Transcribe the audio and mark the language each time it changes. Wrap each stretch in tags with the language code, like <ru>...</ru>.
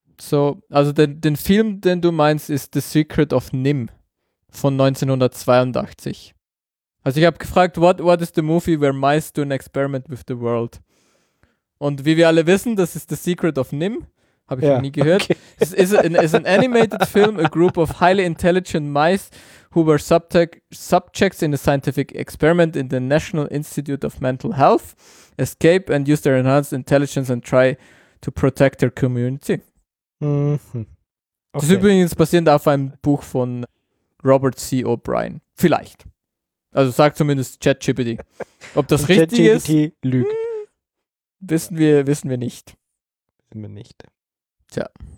<de>So, also den Film, den du meinst, ist The Secret of NIMH von 1982. Also ich habe gefragt,</de> <en>what is the movie where mice do an experiment with the world?</en> <de>Und wie wir alle wissen, das ist The Secret of NIMH. Habe ich noch nie gehört. Okay.</de> <en>It is an animated film, a group of highly intelligent mice who were subjects in a scientific experiment in the National Institute of Mental Health escape and use their enhanced intelligence and try to protect their community. Mm-hmm.</en> <de>Okay. Das ist übrigens basierend auf einem Buch von Robert C. O'Brien. Vielleicht. Also sagt zumindest ChatGPT. Ob das richtig ist? ChatGPT lügt. Wissen wir nicht. Wissen wir nicht. Tja.</de>